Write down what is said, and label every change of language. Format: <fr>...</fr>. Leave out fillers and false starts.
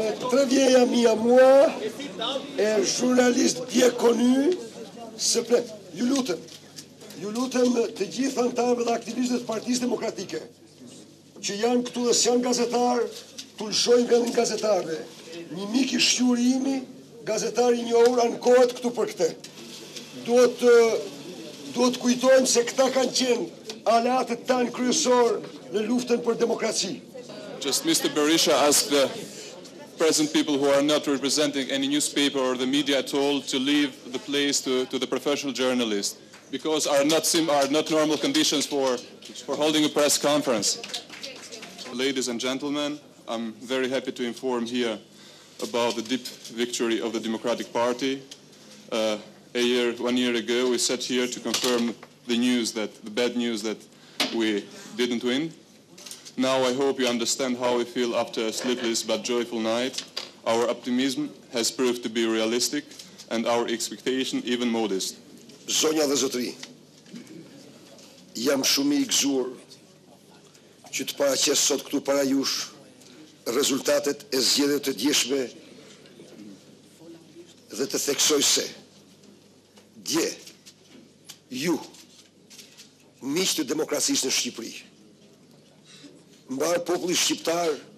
<fr>Très vieille amie à moi, un journaliste bien connu, s'il plaît, Lulutem.</fr> <sq>Lulutem, të gjithë antarëve dhe aktivistët partijës demokratike, që janë këtu dhe s'janë gazetarë, të lëshojnë vendin gazetarëve. Një mik I shqyuri imi, gazetari një orë ankohet këtu për këte. Duhet kujtojmë se këta kanë qenë alatët tanë kryesorë në luftën për demokraci.</sq> <en>Just Mr. Berisha asked the present people who are not representing any newspaper or the media at all to leave the place to the professional journalist because are not normal conditions for holding a press conference. Ladies and gentlemen, I'm very happy to inform here about the deep victory of the Democratic Party. One year ago, we sat here to confirm the bad news that we didn't win. Now I hope you understand how we feel after a sleepless but joyful night. Our optimism has proved to be realistic and our expectation even modest.</en> <sq>Zonja dhe zotri, jam shumë I gëzuar që të paraqes sot këtu para jush rezultatet e zgjedhjeve të djeshme dhe të theksoj se dje ju miq të demokracisë në Shqipëri mbarë populli shqiptar,</sq>